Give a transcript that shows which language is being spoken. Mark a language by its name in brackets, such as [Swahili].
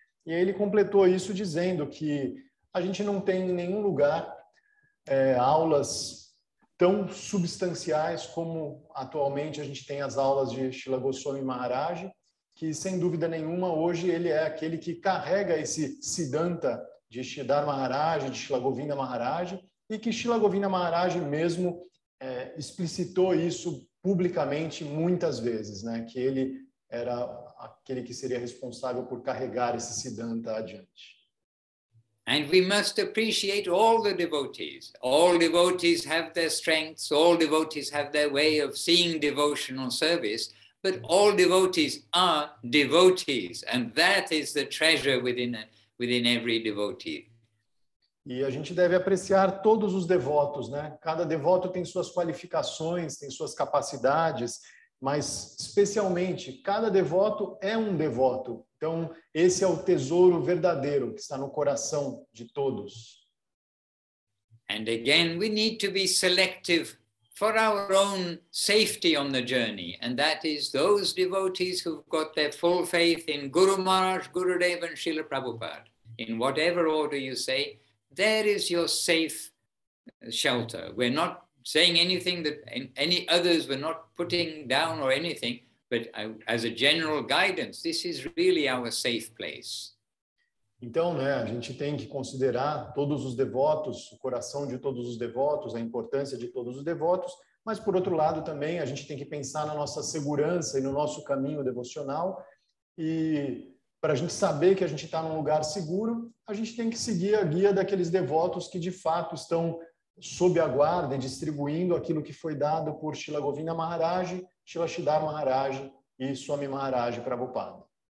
[Portuguese] E aí ele completou isso dizendo que a gente não tem em nenhum lugar aulas tão substanciais como atualmente a gente tem as aulas de Srila Goswami Maharaj, que sem dúvida nenhuma hoje ele é aquele que carrega esse Siddhanta de Sridhar Maharaj, de Srila Govinda Maharaj, e que Srila Govinda Maharaj mesmo explicitou isso publicamente muitas vezes, né? Que ele era aquele que seria responsável por carregar esse Siddhanta adiante. [English] And we must appreciate all the devotees. All devotees have their strengths, all devotees have their way of seeing devotional service, but all devotees are devotees, and that is the treasure within every devotee. [Portuguese] E a gente deve apreciar todos os devotos, né? Cada devoto tem suas qualificações, tem suas capacidades, mas especialmente cada devoto é um devoto. Então, esse é o tesouro verdadeiro que está no coração de todos. [English] And again, we need to be selective for our own safety on the journey, and that is those devotees who've got their full faith in Guru Maharaj, Gurudev and Srila Prabhupada. In whatever order you say, there is your safe shelter. We're not saying anything that any others, we're not putting down or anything, but as a general guidance, this is really our safe place. [Portuguese] Então, né, a gente tem que considerar todos os devotos, o coração de todos os devotos, a importância de todos os devotos, mas por outro lado também a gente tem que pensar na nossa segurança e no nosso caminho devocional, e para a gente saber que a gente está num lugar seguro, a gente tem que seguir a guia daqueles devotos que de fato estão sob a guarda e distribuindo aquilo que foi dado por Srila Govinda Maharaj, Srila Sridhar Maharaj e Swami Maharaj Prabhupada.